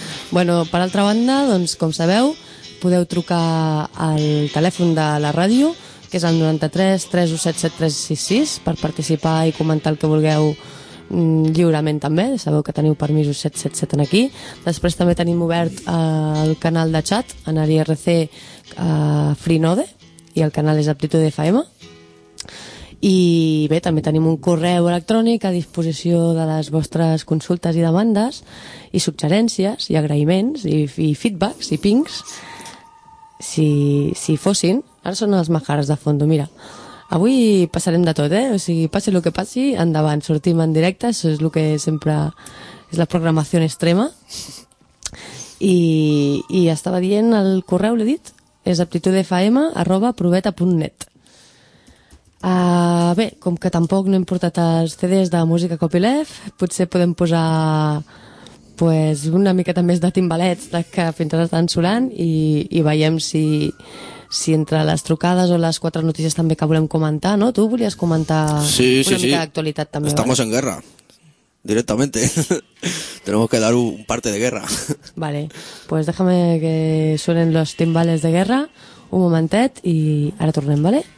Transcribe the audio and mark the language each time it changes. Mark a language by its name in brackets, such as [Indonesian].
[Catalan] Bueno, per altra banda, doncs, com sabeu, podeu trucar al telèfon de la ràdio, que és el 93-317-7366, per participar i comentar el que vulgueu lliurement també. Sabeu que teniu permisos 777 aquí. Després també tenim obert el canal de chat en IRC Freenode, i el canal és Aptitud FM. I bé, també tenim un correu electrònic a disposició de les vostres consultes i demandes i suggerències i agraïments i feedbacks i pings, si fossin. Ara són els majares de fondo, mira. Avui passarem de tot, eh? O sigui, passi el que passi, endavant. Sortim en directe, això és el que sempre és la programació extrema. I estava dient el correu, l'he dit, és aptitudfm@proveta.net. Bé, com que tampoc no hem portat els CDs de música copyleft, potser podem posar pues, una miqueta més de timbalets que fins ara estan sonant i veiem si entre les trucades o les quatre notícies també que volem comentar, no? Tu volies comentar sí. Mica d'actualitat també. [Spanish] Estamos, ¿vale? En guerra, directamente. Tenemos que dar un parte de guerra. Vale, pues déjame que suenen los timbales de guerra [Catalan] un momentet i ara tornem, [Spanish] ¿vale?